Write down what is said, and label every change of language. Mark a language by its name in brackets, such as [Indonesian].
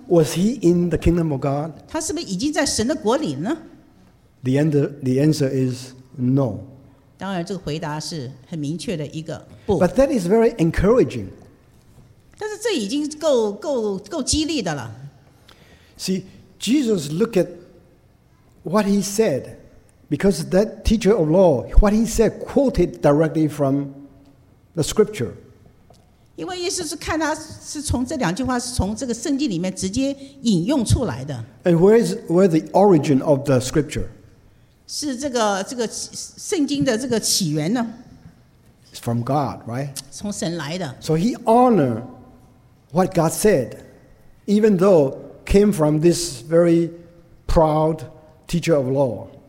[English] Was he in the kingdom of God? [Chinese] 他是不是已经在神的国里呢? [English] The answer is no. [Chinese] 当然这个回答是很明确的一个, [English] but that is very encouraging. [Chinese] 但是这已经够激励的了。 [English] See, Jesus looked at what he said, because that teacher of law, what he said quoted directly from the scripture. [Chinese] 因为意思是看他是从这两句话是从这个圣经里面直接引用出来的。 [English] And where the origin of the scripture? [Chinese] 是这个圣经的这个起源呢? [English] It's from God, right? [Chinese] 从神来的。 [English] So he honored what God said, even though came from this very proud teacher of law.